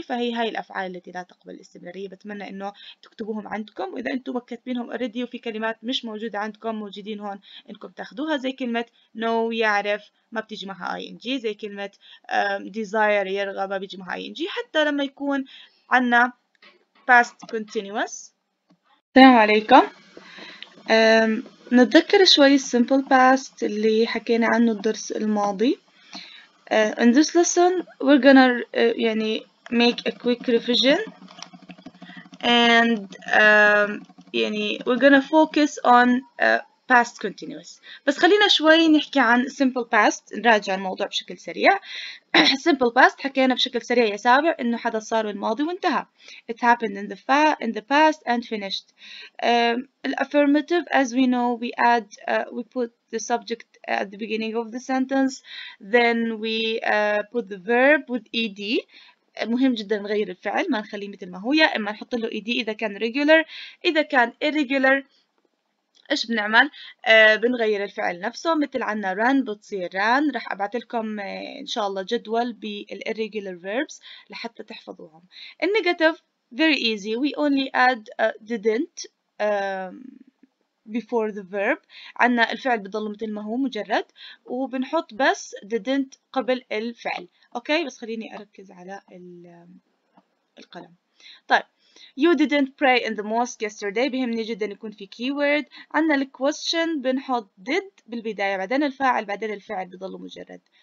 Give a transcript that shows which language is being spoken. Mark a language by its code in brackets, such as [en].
[ar] فهي هاي الأفعال التي لا تقبل الاستمرارية. بتمنى إنه تكتبوهم عندكم وإذا أنتم مكتبينهم already وفي كلمات مش موجودة عندكم موجودين هون إنكم تاخدوها زي كلمة no يعرف ما بتيجي معها ing زي كلمة desire يرغب ما بيجي معها ing حتى لما يكون عنا past continuous. السلام عليكم. نتذكر شوي simple past اللي حكينا عنه الدرس الماضي. [en] In this lesson we're gonna يعني make a quick revision and يعني we're gonna focus on past continuous. [ar] بس خلينا شوي نحكي عن simple past نراجع الموضوع بشكل سريع. simple past حكينا بشكل سريع يا سابع إنه حدث صار بالماضي وانتهى. [en] It happened in the past and finished. Affirmative as we know we add we put the subject at the beginning of the sentence then we put the verb with ed. [ar] مهم جدا نغير الفعل ما نخليه مثل ما هو يا إما نحط له ed إذا كان regular. إذا كان irregular إيش بنعمل؟ بنغير الفعل نفسه مثل عنا ران بتصير ران. رح أبعت لكم إن شاء الله جدول بال irregular verbs لحتى تحفظوهم. [en] Negative very easy we only add didn't before the verb. [ar] عنا الفعل بضل مثل ما هو مجرد وبنحط بس didn't قبل الفعل. أوكي بس خليني أركز على القلم. طيب [en] You didn't pray in the mosque yesterday. [ar] بهمني جدا يكون في keyword. عنا ال question بنحط did بالبداية بعدين الفاعل بعدين الفعل بضل مجرد.